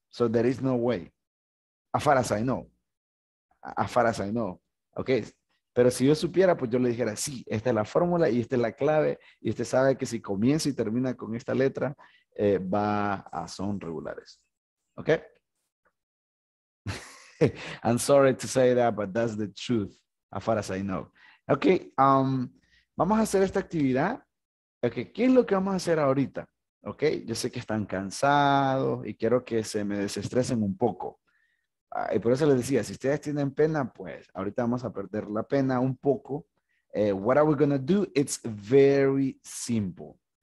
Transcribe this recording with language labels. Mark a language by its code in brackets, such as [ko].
[en] So there is no way. As far as I know. Okay. [es] Pero si yo supiera, pues yo le dijera, sí, esta es la fórmula y esta es la clave. Y usted sabe que si comienza y termina con esta letra, va a son regulares. [en] Okay. I'm sorry to say that, but that's the truth. As far as I know. Okay. [es] Vamos a hacer esta actividad. Okay, ¿qué es lo que vamos a hacer ahorita? Ok, yo sé que están cansados y quiero que se me desestresen un poco. Y por eso les decía, si ustedes tienen pena, pues ahorita vamos a perder la pena un poco. [en] What are we going to do? It's very simple.